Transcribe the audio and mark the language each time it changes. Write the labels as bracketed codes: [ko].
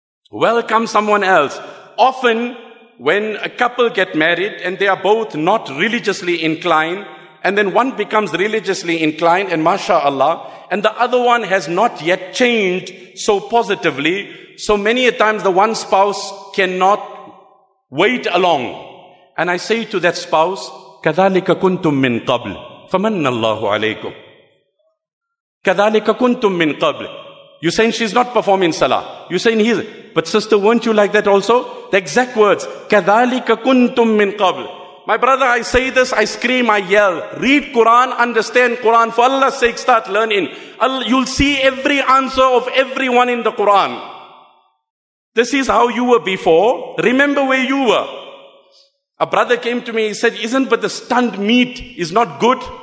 [en] Welcome someone else. Often, when a couple get married and they are both not religiously inclined, and then one becomes religiously inclined, and mashallah, and the other one has not yet changed so positively, so many a times the one spouse cannot wait along. And I say to that spouse, [ar] كَذَلِكَ كُنْتُمْ مِنْ قَبْلِ فَمَنَّ اللَّهُ عَلَيْكُمْ كَذَلِكَ كُنْتُمْ مِنْ قَبْلِ. [en] You're saying she's not performing salah. You're saying he's, but sister, weren't you like that also? The exact words, [ar] كَذَلِكَ كُنْتُمْ مِنْ قَبْلِ. [en] My brother, I say this, I scream, I yell. Read Quran, understand Quran. For Allah's sake, start learning. You'll see every answer of everyone in the Quran. This is how you were before. Remember where you were. A brother came to me, he said, isn't but the stunned meat is not good?